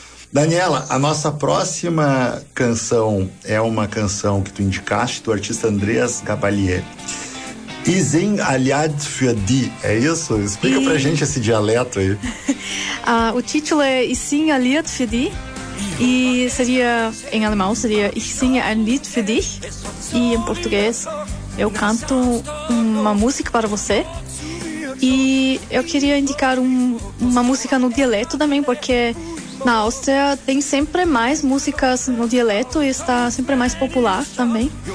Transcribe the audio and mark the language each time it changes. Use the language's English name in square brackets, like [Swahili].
[Portuguese] Daniela, a nossa próxima canção é uma canção que tu indicaste, do artista Andreas Gabalier. Isin Aliad Fiadi, é isso? Explica pra gente esse dialeto aí. O título é Isin Aliad Fiadi. E seria, em alemão, seria [German] Ich singe ein Lied für dich. [Portuguese] E em português, eu canto uma música para você. E eu queria indicar uma música no dialeto também, porque na Áustria tem sempre mais músicas no dialeto e está sempre mais popular também.